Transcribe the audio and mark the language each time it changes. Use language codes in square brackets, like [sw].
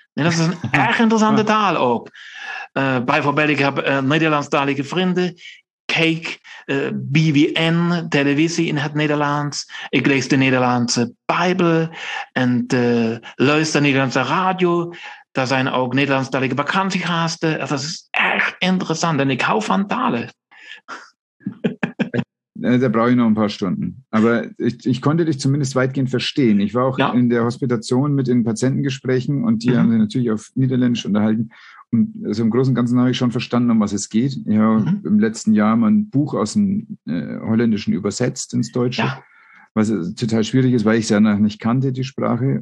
[de] Das ist ein echt interessanter Teil auch. [nl] Bijvoorbeeld, [de] ich habe [nl] Nederlandstalige [de] Freunde, [nl] Cake, BWN, televisie in het Nederlands. Ik lees de Nederlandse Bijbel en luister Nederlandse radio. Daar zijn ook Nederlandstalige vakantiegasten. Dat is echt interessant en ik hou van talen. [de] Da brauche ich noch ein paar Stunden. Aber ich konnte dich zumindest weitgehend verstehen. Ich war auch in der Hospitation mit den Patientengesprächen und die haben sich natürlich auf Niederländisch unterhalten. Und also im Großen und Ganzen habe ich schon verstanden, um was es geht. Ich habe im letzten Jahr mal ein Buch aus dem Holländischen übersetzt ins Deutsche, was total schwierig ist, weil ich es ja noch nicht kannte, die Sprache.